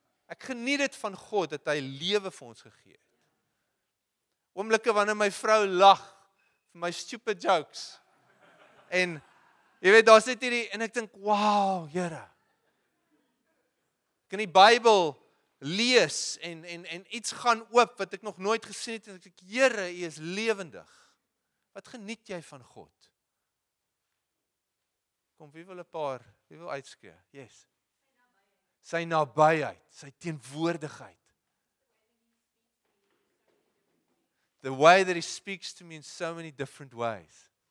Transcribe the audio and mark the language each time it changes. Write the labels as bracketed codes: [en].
[af] Ek geniet dit van God, dat hy lewe vir ons gegee het. Oomblikke wanneer my vrou lag vir my [en] stupid jokes, [af] en, jy weet, daar sit hierdie, en ek dink, wow, Here, ek in die Bybel lees, en iets gaan oop, wat ek nog nooit gesien het, en ek dink, Here, jy is levendig, wat geniet jy van God? Kom, wie wil een paar, wie wil uitskree? [en] Yes. [af] Sy nabijheid, sy teenwoordigheid. [en] The way that he speaks to me in so many different ways.